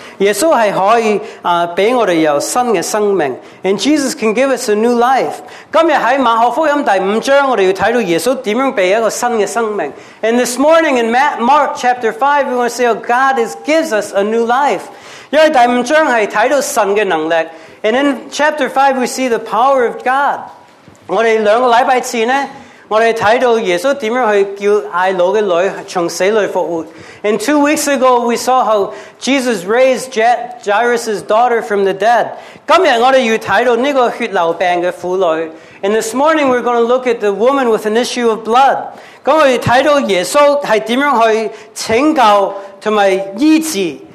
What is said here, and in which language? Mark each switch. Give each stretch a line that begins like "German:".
Cantonese: 耶稣是可以俾我哋有新嘅生命 ，
English: and Jesus can give us a new life.
Cantonese: 今日喺马可福音第五章，我哋要睇到耶稣点样俾一个新嘅生命。
English: And this morning in Mark chapter 5, we want to say, oh, God gives us a new life.
Cantonese: 因为第五章系睇到神嘅能力。
English: And in chapter 5, we see the power of God.
Cantonese: 我哋两个礼拜前呢，我哋睇到耶稣点样去叫艾老嘅女从死里复活。
English: And 2 weeks ago, we saw how Jesus raised Jairus' daughter from the dead.
Cantonese: 今日我哋要睇到呢个血流病嘅妇女。
English: And this morning, we're going to look at the woman with an issue of blood.
Cantonese: 咁我哋睇到耶稣系点样去拯救同埋医治。